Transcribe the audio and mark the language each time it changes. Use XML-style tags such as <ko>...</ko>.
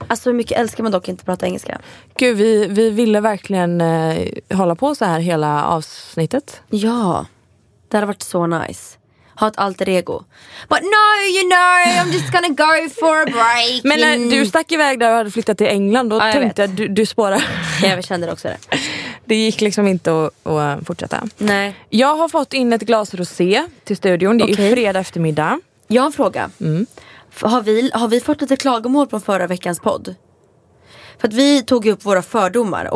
<sv>Alltså hur mycket älskar man dock inte prata engelska. Gud, vi ville verkligen hålla på så här hela avsnittet. Ja. Det har varit så nice. Ha ett alter ego.</sv> <en>But no, you know, I'm just gonna go for a break.</en> <sv>Men när du stack iväg där och hade flyttat till England, då tänkte jag, du spårar. Jag kände det också det. Det gick liksom inte att fortsätta. Nej. Jag har fått in ett glas rosé till studion. Det är ju fredag eftermiddag. Jag har en fråga. Mm. Har vi fått lite klagomål på förra veckans podd? För att vi tog upp våra fördomar.</sv>